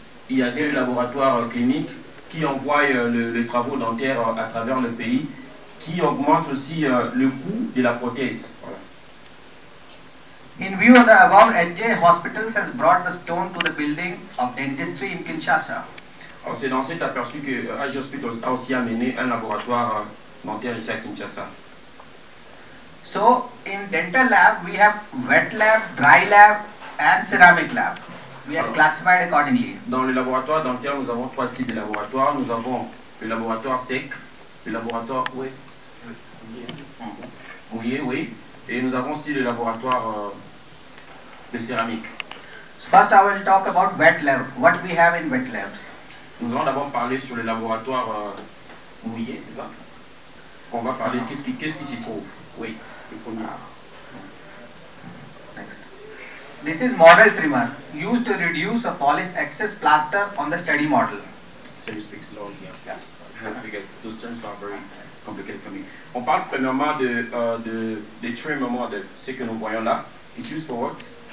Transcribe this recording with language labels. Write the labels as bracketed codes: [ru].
[fr] Il y a des laboratoires cliniques qui envoient les travaux dentaires à travers le pays, qui augmentent aussi le coût de la prothèse. [en] In view of the above, NJ Hospitals has brought the stone to the building of dentistry in Kinshasa. [fr] Alors, c'est dans cet aperçu que NJ Hospitals a aussi amené un laboratoire dentaire ici à Kinshasa. [en] So, in dental lab, we have wet lab, dry lab and ceramic lab. We are classified accordingly. [fr] Dans le laboratoire dentaire, nous avons 3 types de laboratoires. Nous avons le laboratoire sec, le laboratoire mouillé, oui. Et nous avons aussi le laboratoire de céramique. [en] First, I will talk about wet lab. What we have in wet labs? [fr] Nous allons d'abord parler sur le laboratoire mouillé, c'est ça? On va parler qu'est-ce qui s'y trouve? [en] Wait, [fr] le premier. [en] This is model trimmer, used to reduce or polish excess plaster on the study model. So you speak slowly, yes. Because those terms are very complicated for me. [fr] On parle premièrement de trimmer model, ce que nous voyons là. [en] It's used for what?